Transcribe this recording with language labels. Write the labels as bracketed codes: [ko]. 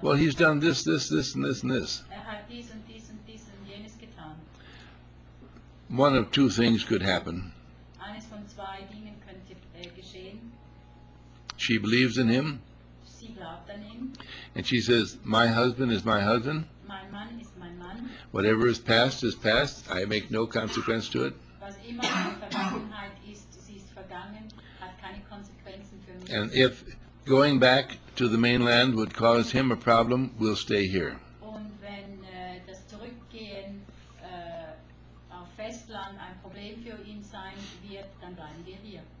[en] Well, he's done this, this, this, and this, and this. [de] Er hat dies und dies und dies und jenes getan. [en] One of two things could happen. [de] Eines von zwei Dingen könnte, geschehen. [en] She believes in him. [de] Sie glaubt an ihn. [en] And she says, my husband is my husband. [de] Mein Mann ist mein Mann. [en] Whatever is past, I make no consequence to it. [de] Was immer in der Vergangenheit ist, sie ist vergangen, hat keine Konsequenzen für mich. [en] And if going back to the mainland would cause him a problem, we'll stay here. [de] Und wenn das Zurückgehen auf Festland ein Problem für ihn sein wird, dann bleiben wir hier.